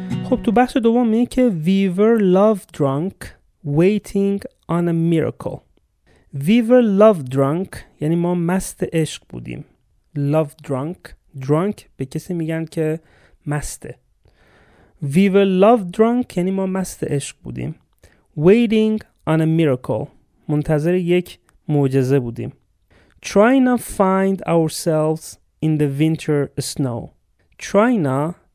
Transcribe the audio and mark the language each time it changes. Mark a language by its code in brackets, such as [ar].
[fa] خب تو بخش دوم میگه که [en] We were love drunk waiting on a miracle. We were love drunk [fa] یعنی ما مست عشق بودیم. [en] Love drunk. [fa] Drunk به کسی میگن که مسته. [en] We were love drunk [fa] یعنی ما مست عشق بودیم. [en] Waiting on a miracle. [fa] منتظر یک معجزه بودیم. [en] Trying to find ourselves in the winter snow. Trying to